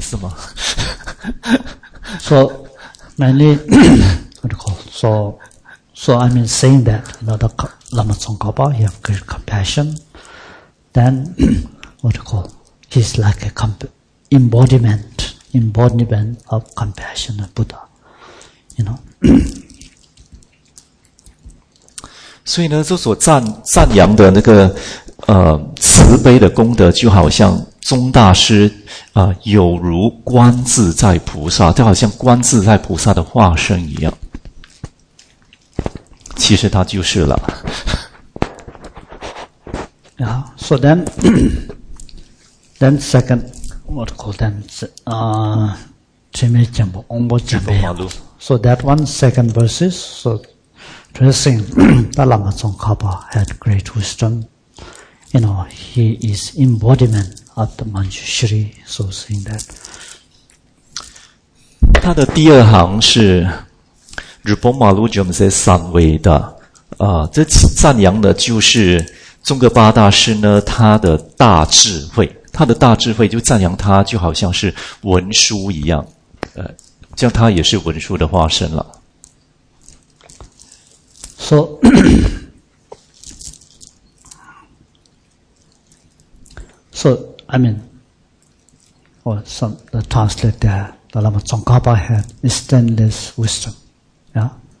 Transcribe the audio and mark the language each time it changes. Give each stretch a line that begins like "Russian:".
English: so, so, mainly, what do you call, so, I mean, saying that, you know, the Lama Tsongkhapa, he have great compassion, then, what do you call, he's like a embodiment of compassion of Buddha, you know.
Chinese: 所以呢，这所赞扬的那个慈悲的功德，就好像宗大师有如观自在菩萨，就好像观自在菩萨的化身一样。其实他就是了。
English: Yeah, so then second, what call them? So that one second verses, so. Dressing, the Lama Tsongkhapa had great wisdom. You know, he is embodiment of the Manjushri. So saying that.
Chinese: 他的第二行是 Rupoma Lujum Se San Veda. 这赞扬的就是宗喀巴大师呢他的大智慧。他的大智慧就赞扬他就好像是文殊一样。像他也是文殊的化身了。
English: So, so, I mean, or some, the translate there, the Lama Tsongkhapa had stainless wisdom, yeah?